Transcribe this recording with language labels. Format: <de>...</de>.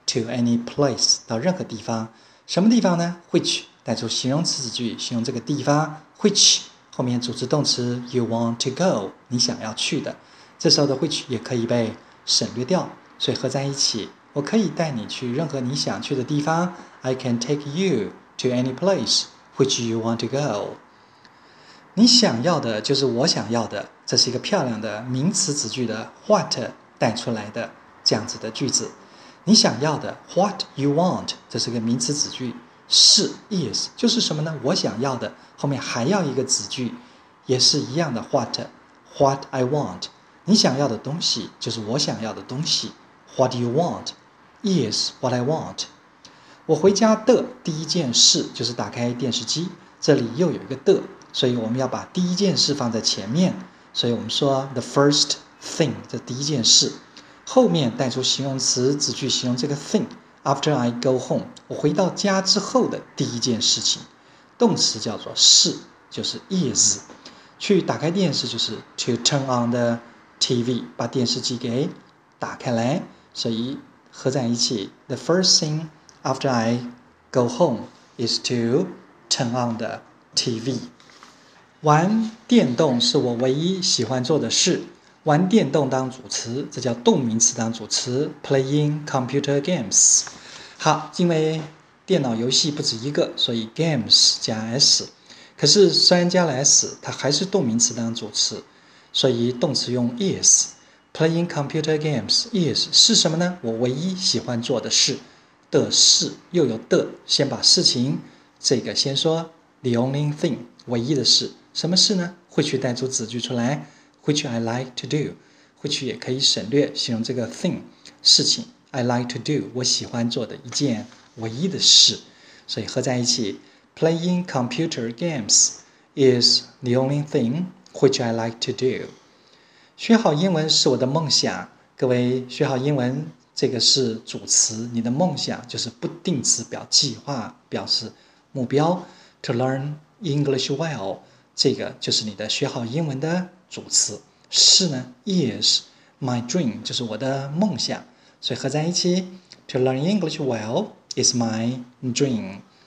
<en>To any place，</en> <zh>到任何地方，什么地方呢？Which 带出形容词子句，形容这个地方。 Which 后面组织动词</zh> <en>you want to go，</en> <zh>你想要去的。这时候的 which 也可以被省略掉，所以合在一起，我可以带你去任何你想去的地方。</zh> <en>I can take you to any place which you want to go。</en> <zh>你想要的就是我想要的，这是一个漂亮的名词子句的 what 带出来的这样子的句子。你想要的</zh> <en>what you want，</en> <zh>这是个名词子句，是 is 就是什么呢？我想要的后面还要一个子句，也是一样的</zh> <en>what I want，</en> <zh>你想要的东西就是我想要的东西。</zh> <en>What you want is what I want。</en> <zh>我回家的第一件事就是打开电视机，这里又有一个的，所以我们要把第一件事放在前面，所以我们说</zh> <en>the first thing，</en> <zh>这第一件事。后面带出形容词子句，形容这个 thing。</zh> <en>After I go home，</en> <zh>我回到家之后的第一件事情，动词叫做是，就是 is。去打开电视就是</zh> <en>to turn on the TV，</en> <zh>把电视机给打开来。所以合在一起，</zh> <en>the first thing after I go home is to turn on the TV。</en> <zh>玩电动是我唯一喜欢做的事。玩电动当主词，这叫动名词当主词，</zh> <en>playing computer games。</en> <zh>好，因为电脑游戏不止一个，所以 games 加 s。可是虽然加了 s，它还是动名词当主词，所以动词用 is。</zh> <en>playing computer games is</en> <zh>是什么呢？我唯一喜欢做的事的事，又有的，先把事情这个先说，</zh> <en>the only thing</en> <zh>唯一的事，什么事呢？会去带出子句出来。</zh> <en>Which I like to do，</en> <zh>或许也可以省略形容这个 thing 事情。</zh> <en>I like to do，</en> <zh>我喜欢做的一件唯一的事。所以合在一起，</zh> <en>Playing computer games is the only thing which I like to do。</en> <zh>学好英文是我的梦想。各位，学好英文这个是主词，你的梦想就是不定词表计划，表示目标。</zh> <en>To learn English well，</en> <zh>这个就是你的学好英文的主词。是呢，</zh> <en>is my dream，</en> <zh>就是我的梦想，所以合在一起，</zh> <en>to learn English well is my dream。</en>